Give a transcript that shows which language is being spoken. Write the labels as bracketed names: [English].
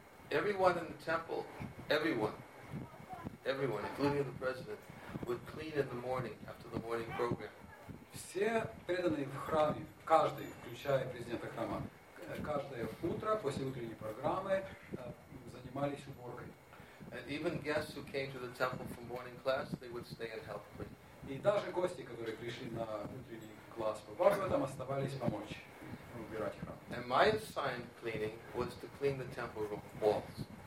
[English] Everyone in the temple, everyone, including the president, would clean in the morning after the morning program. [Russian] Все преданные в храме, каждый, включая президента храма, каждое утро после утренней программы занимались уборкой. [English] And even guests who came to the temple for morning class, they would stay and help clean. [Russian] И даже гости, которые пришли на утренний класс по Бхагаватам, оставались помочь убирать храм. [English] And my assigned cleaning was to clean the temple walls.